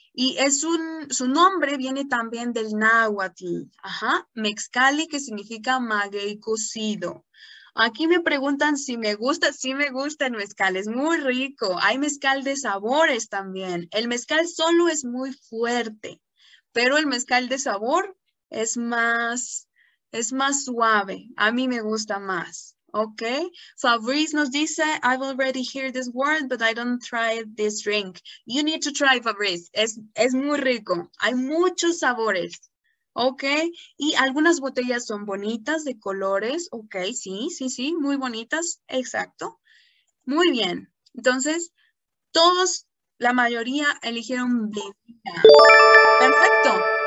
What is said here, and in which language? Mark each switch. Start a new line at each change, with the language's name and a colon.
Spanish: Y es un, su nombre viene también del náhuatl, ajá, Mexcali, que significa maguey cocido. Aquí me preguntan si me gusta, sí me gusta el mezcal, es muy rico. Hay mezcal de sabores también. El mezcal solo es muy fuerte, pero el mezcal de sabor es más suave. A mí me gusta más. Ok, Fabrice nos dice,
English: I've already heard this word, but I don't try this drink. You need to try,
Spanish: Fabrice. Es muy rico. Hay muchos sabores. Ok, y algunas botellas son bonitas de colores. Ok, sí, muy bonitas. Exacto. Muy bien. Entonces, todos, la mayoría, eligieron bebida. Perfecto.